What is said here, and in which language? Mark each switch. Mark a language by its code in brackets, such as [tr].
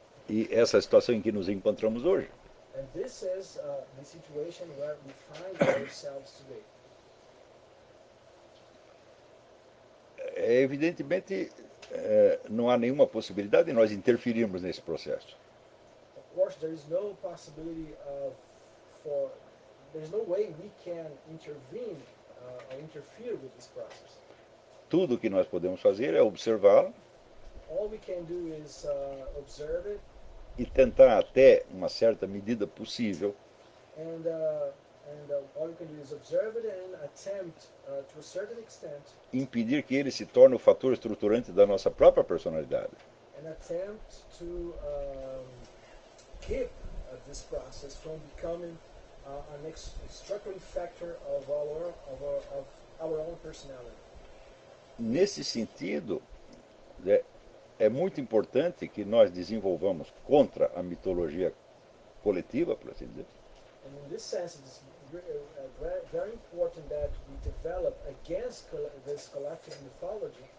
[pt] E essa situação em que nos encontramos hoje. [en] And this is the situation where we find ourselves today. [pt] Evidentemente, não há nenhuma possibilidade de nós interferirmos nesse processo. [en] Of course, there is no possibility of for there's no way we can intervene or interfere with this process. [pt] Tudo que nós podemos fazer é observá-lo. [en] All we can do is observe it. [pt] E tentar até uma certa medida possível. [en] And, all we can do is observe it and attempt to a certain extent. [pt] Impedir que ele se torne o fator estruturante da nossa própria personalidade. [en] And attempt to keep this process from becoming an extracting factor of our own personality. [pt] Nesse sentido, é muito importante que nós desenvolvamos contra a mitologia coletiva, por assim dizer. [en] And in this sense, it's very important that we develop against this collective mythology.